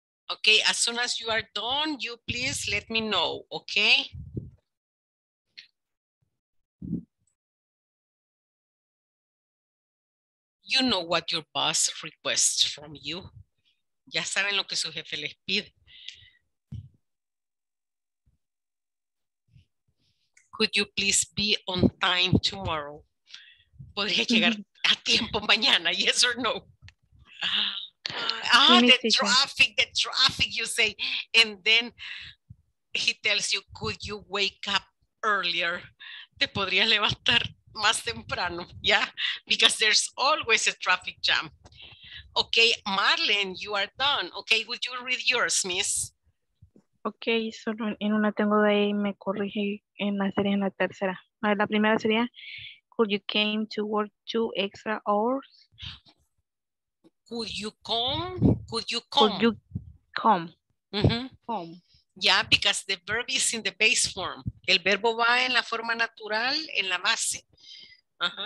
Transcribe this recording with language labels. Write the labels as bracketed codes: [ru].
[en] Okay, as soon as you are done, you please let me know, okay? You know what your boss requests from you. [es] Ya saben lo que su jefe les pide. [en] Could you please be on time tomorrow? [es] ¿Podría llegar a tiempo mañana? [en] Yes or no? Ah, the traffic, you say. And then he tells you, could you wake up earlier? [es] Te podrías levantar más temprano, [en] yeah? Because there's always a traffic jam. Okay, Marlene, you are done. Okay, would you read yours, miss? [es] Okay, solo en una tengo de ahí, me corrige en la serie, en la tercera. A ver, la primera sería, [en] could you came to work 2 extra hours? Could you come? Mm-hmm. Come. Yeah, because the verb is in the base form. [es] El verbo va en la forma natural, en la base. Uh-huh.